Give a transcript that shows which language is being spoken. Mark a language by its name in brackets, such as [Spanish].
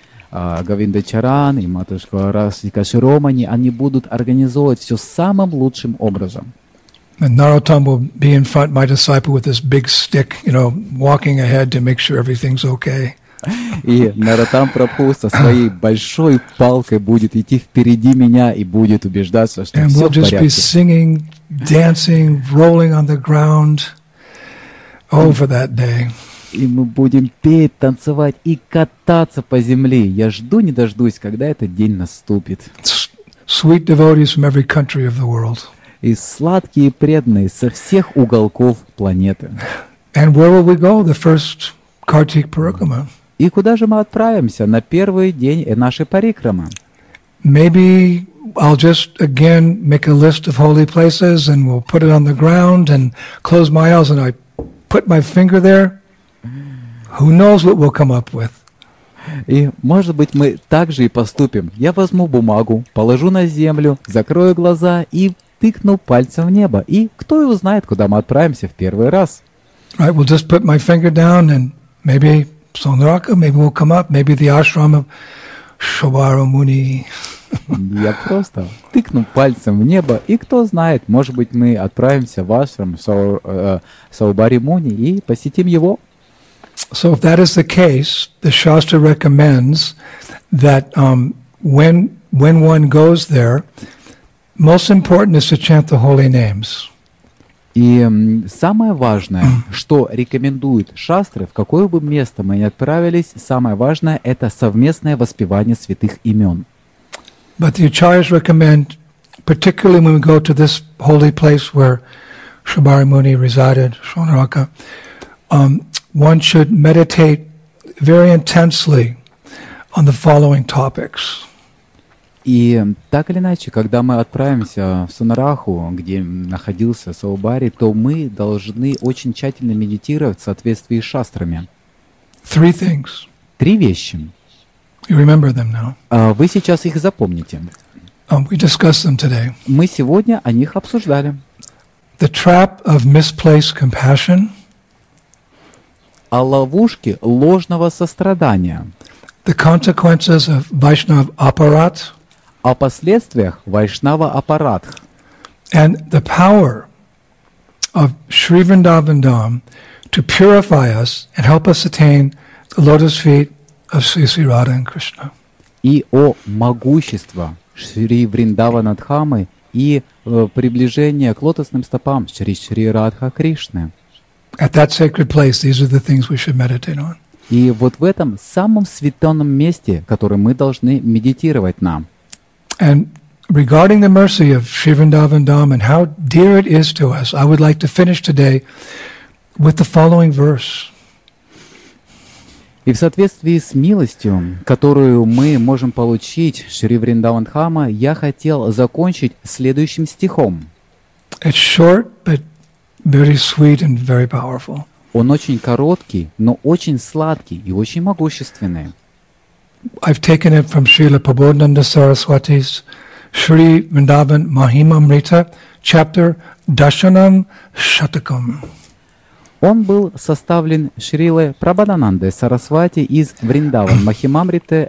[Russian] Говинда Чаран и матушка Расика Широмани, они будут организовывать все самым лучшим образом. [English] Наротам will be in front, my disciple, with this big stick, you know, walking ahead to make sure everything's okay. [Russian] И Наротам Прабху со своей большой палкой будет идти впереди меня и будет убеждаться, что все в порядке. [English] And we'll just be singing, dancing, rolling on the ground over that day. [Russian] И мы будем петь, танцевать и кататься по земле. Я жду не дождусь, когда этот день наступит. [English] Sweet devotees from every country of the world. [Russian] И сладкие преданные со всех уголков планеты. [English] And where will we go, the first Kartik Parikrama? [Russian] И куда же мы отправимся на первый день нашей парикрамы? [English] Maybe I'll just again make a list of holy places and we'll put it on the ground and close my eyes and I put my finger there. Who knows what we'll come up with? [Russian] И, может быть, мы так же и поступим. Я возьму бумагу, положу на землю, закрою глаза и тыкну пальцем в небо. И кто его знает, куда мы отправимся в первый раз? [English] Right, we'll just put my finger down and maybe Sonaraka, maybe we'll come up, maybe the ashram of Shobhara Muni. [Russian] Я просто тыкну пальцем в небо, и кто знает, может быть, мы отправимся в ашрам Шобхара Муни и посетим его. [English] So if that is the case, the Shastra recommends that when one goes there, most important is to chant the holy names. [Russian] И самое важное, что рекомендует Шастры, в какое бы место мы ни отправились, самое важное – это совместное воспевание святых имен. [English] But the Acharyas recommend, particularly when we go to this holy place where Shobhara Muni resided, Sonaraka, one should meditate very intensely on the following topics. [Russian] И так или иначе, когда мы отправимся в Сонараху, где находился Саубари, то мы должны очень тщательно медитировать в соответствии с шастрами. [English] Three things. [Russian] Три вещи. [English] You remember them now. [Russian] Вы сейчас их запомните. [English] We discussed them today. [Russian] Мы сегодня о них обсуждали. [English] The trap of misplaced compassion. [Russian] О ловушке ложного сострадания. [English] The consequences of Vaishnava apparat. [Russian] О последствиях Вайшнава аппаратх. [English] And the power of Sri Vrindavan Dham to purify us and help us attain the lotus feet of Sri Sri Radha and Krishna. [Russian] И о могуществе Шри Вриндавана Дхамы и приближение к лотосным стопам Шри Шри Радха Кришны. [English] At that sacred place, these are the things we should meditate on. [Russian] И вот в этом самом святом месте, которое мы должны медитировать нам. [English] And regarding the mercy of Sri Vrindavan Dham and how dear it is to us, I would like to finish today with the following verse. [Russian] И в соответствии с милостью, которую мы можем получить Шри Вриндаван Дхама, я хотел закончить следующим стихом. [English] It's short, but very sweet and very powerful. [Russian] Он очень короткий, но очень сладкий и очень могущественный. [English] I've taken it from Srila Prabodhananda Saraswati's Shri Vrindavan Mahimamrita, chapter Dashanam Shatakam. [Russian] Он был составлен Шрилой Прабхананандой Сарасвати из Вриндавана Махимамриты.